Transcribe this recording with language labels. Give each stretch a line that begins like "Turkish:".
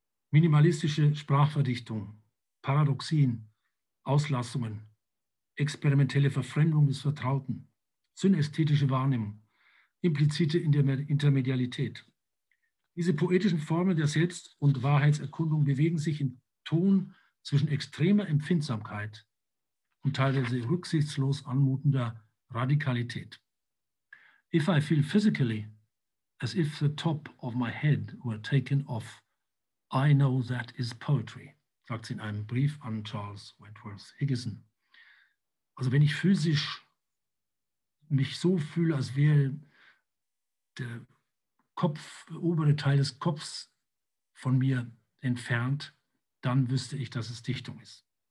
German: Minimalistische Sprachverdichtung, Paradoxien, Auslassungen, experimentelle Verfremdung des Vertrauten, synästhetische Wahrnehmung, implizite Intermedialität. Diese poetischen Formen der Selbst- und Wahrheitserkundung bewegen sich im Ton zwischen extremer Empfindsamkeit und teilweise rücksichtslos anmutender Radikalität.
English: If I feel physically as if the top of my head were taken off, I know that is poetry,
German: sagt sie in einem Brief an Charles Wentworth Higginson. Also wenn ich physisch mich so fühle, als wäre der Kopf, der obere Teil des Kopfs von mir entfernt, dann wüsste ich, dass es Dichtung ist.